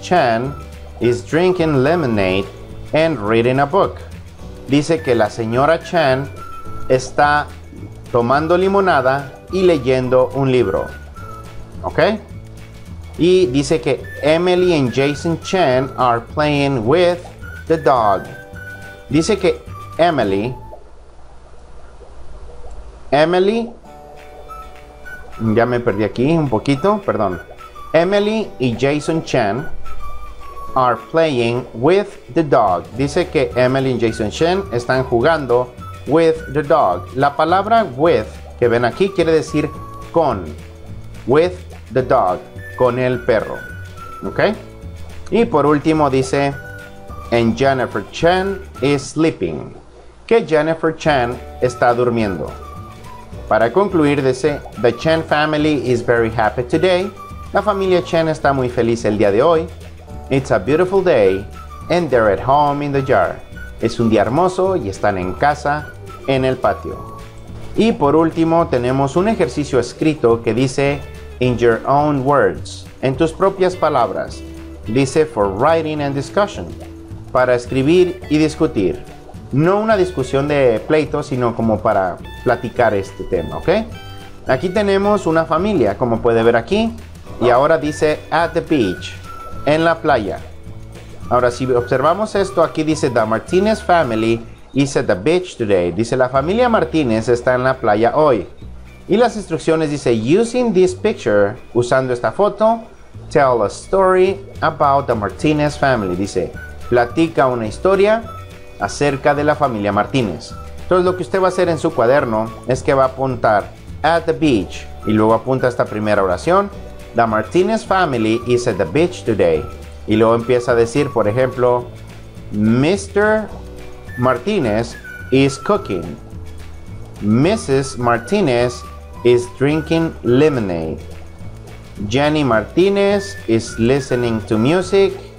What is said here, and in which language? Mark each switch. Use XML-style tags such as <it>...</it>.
<en>Chan is drinking lemonade and reading a book.</en> <es>Dice que la señora Chan está tomando limonada y leyendo un libro. ¿Ok? Y dice que</es> <en>Emily and Jason Chan are playing with the dog.</en> <es>Dice que Emily, ya me perdí aquí un poquito, perdón.</es> <en>Emily y Jason Chan are playing with the dog.</en> <es>Dice que Emily y Jason Chan están jugando</es> <en>with the dog.</en> <es>La palabra with que ven aquí quiere decir con.</es> <en>With the dog,</en> <es>con el perro. ¿Ok? Y por último dice,</es> <en>and Jennifer Chan is sleeping.</en> <es>Que Jennifer Chan está durmiendo. Para concluir dice,</es> <en>the Chan family is very happy today.</en> <es>La familia Chan está muy feliz el día de hoy.</es> <en>It's a beautiful day and they're at home in the yard.</en> <es>Es un día hermoso y están en casa en el patio. Y por último tenemos un ejercicio escrito que dice,</es> <en>in your own words,</en> <es>en tus propias palabras. Dice,</es> <en>for writing and discussion,</en> <es>para escribir y discutir. No una discusión de pleito, sino como para platicar este tema, ¿ok? Aquí tenemos una familia, como puede ver aquí. Y ahora dice,</es> <en>at the beach,</en> <es>en la playa. Ahora, si observamos esto, aquí dice,</es> <en>the Martinez family is at the beach today.</en> <es>Dice, la familia Martínez está en la playa hoy. Y las instrucciones dice,</es> <en>using this picture,</en> <es>usando esta foto,</es> <en>tell a story about the Martinez family.</en> <es>Dice, platica una historia acerca de la familia Martínez. Entonces, lo que usted va a hacer en su cuaderno es que va a apuntar</es> <en>at the beach</en> <es>y luego apunta esta primera oración.</es> <en>The Martinez family is at the beach today.</en> <es>Y luego empieza a decir, por ejemplo, Mr.</es> <en>Martinez is cooking. Mrs. Martinez is drinking lemonade. Jenny Martinez is listening to music.</en>